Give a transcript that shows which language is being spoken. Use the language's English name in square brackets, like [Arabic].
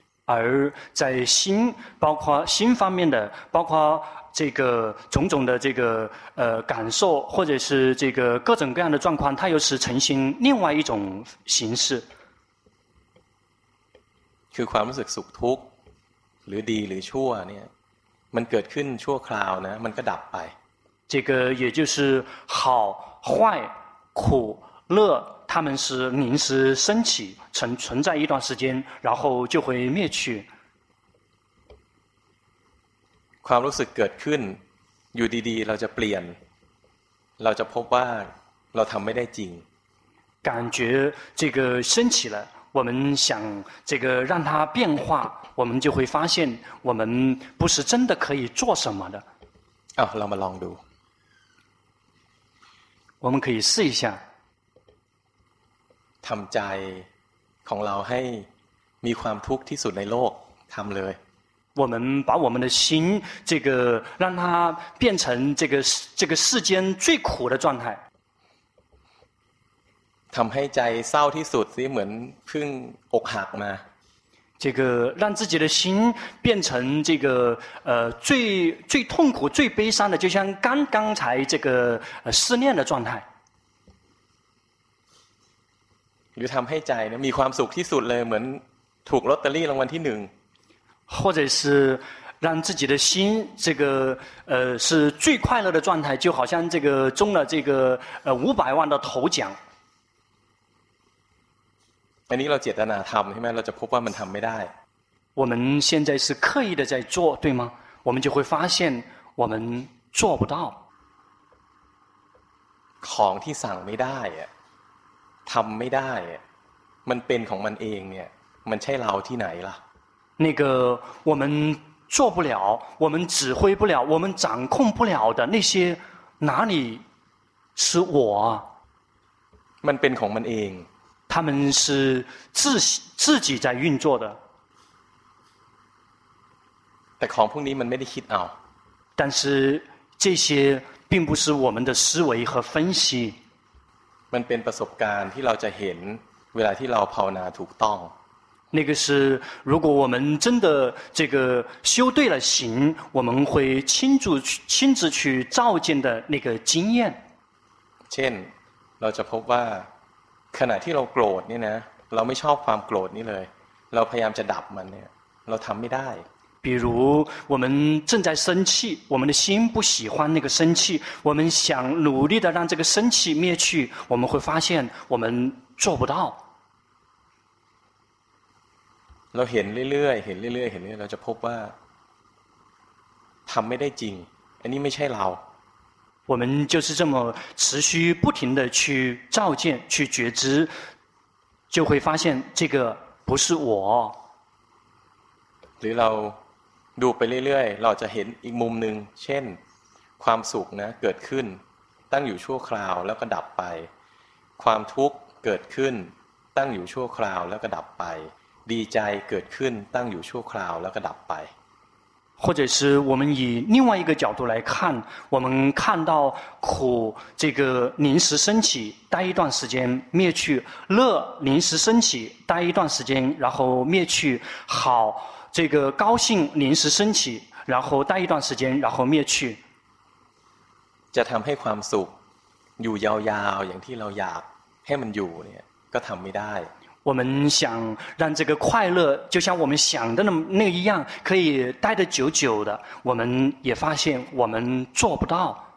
[Chinese] 而在心包括心方面的包括这个种种的这个感受或者是这个各种各样的状况它又是呈现另外一种形式 [Thai] คือความรู้สึกสุขทุกข์หรือดีหรือชั่วเนี่ยมันเกิดขึ้นชั่วคราวนะมันก็ดับไป [Chinese] 这个也就是好坏苦乐它们是临时升起 存在一段时间然后就会灭去 [Thai] ความรู้สึกเกิดขึ้นอยู่ดีๆเราจะเปลี่ยนเราจะพบว่าเราทำไม่ได้จริง [Chinese] 感觉这个升起了我们想这个让它变化我们就会发现我们不是真的可以做什么的 [Thai] เรามาลองดู [Chinese] 我们可以试一下 [Thai] ทำใจของเราให้มีความทุกข์ที่สุดในโลกทำเลย [Chinese] 我们把我们的心这个让它变成这个世间最苦的状态 [Thai] ทำให้ใจเศร้าที่สุดซิเหมือนเพิ่งอกหักมา [Chinese] 这个让自己的心变成这个最痛苦最悲伤的，就像刚才这个失恋的状态。 [Thai] หรือทำให้ใจเนี่ยมีความสุขที่สุดเลยเหมือนถูกลอตเตอรี่รางวัลที่หนึ่ง [Chinese] 或者是让自己的心这个是最快乐的状态，就好像这个中了这个500万的头奖。 [Thai] อันนี้เราเจตนาทำใช่ไหมเราจะพบว่ามันทำไม่ได้ [Chinese] 我们现在是刻意的在做对吗我们就会发现我们做不到 [Thai] ของที่สั่งไม่ได้อะทำไม่ได้อะมันเป็นของมันเองเนี่ยมันใช่เราที่ไหนล่ะ [Chinese] 那个我们做不了我们指挥不了我们掌控不了的那些哪里是我 [Thai] มันเป็นของมันเอง เขา [Chinese] 们是自己在运作的 [Thai] แต่ของพวกนี้มันไม่ได้คิดเอา [Chinese] 但是这些并不是我们的思维和分析 [Thai] มันเป็นประสบการณ์ที่เราจะเห็นเวลาที่เราภาวนาถูกต้อง [Chinese] 那个是如果我们真的这个修对了行我们会亲自去照见的那个经验 [Thai] เช่นเราจะพบว่าขณะที่เราโกรธเนี่ยนะเราไม่ชอบความโกรธนี้เลยเราพยายามจะดับมันเนี่ยเราทำไม่ได้ [Chinese] 比如我们正在生气我们的心不喜欢那个生气我们想努力的让这个生气灭去我们会发现我们做不到 [Thai] เราเห็นเรื่อยๆเห็นเรื่อยๆเห็นเรื่อยๆเราจะพบว่าทำไม่ได้จริงอันนี้ไม่ใช่เรา [Chinese] 我们就是这么持续不停的去照见去觉知就会发现这个不是我 [Thai] หรือเราดูไปเรื่อยๆเราจะเห็นอีกมุมหนึ่งเช่นความสุขนะเกิดขึ้นตั้งอยู่ชั่วคราวแล้วก็ดับไปความทุกข์เกิดขึ้นตั้งอยู่ชั่วคราวแล้วก็ดับไปดีใจเกิดขึ้นตั้งอยู่ชั่วคราวแล้วก็ดับไป [Chinese] 或者是我们以另外一个角度来看我们看到苦这个临时升起待一段时间灭去乐临时升起待一段时间然后灭去好这个高兴临时升起然后待一段时间然后灭去 [Thai] จะทำให้ความสุขอยู่ยาวๆอย่างที่เราอยากให้มันอยู่เนี่ยก็ทำไม่ได้ [Chinese] 我们想让这个快乐就像我们想的那一样可以待得久久的我们也发现我们做不到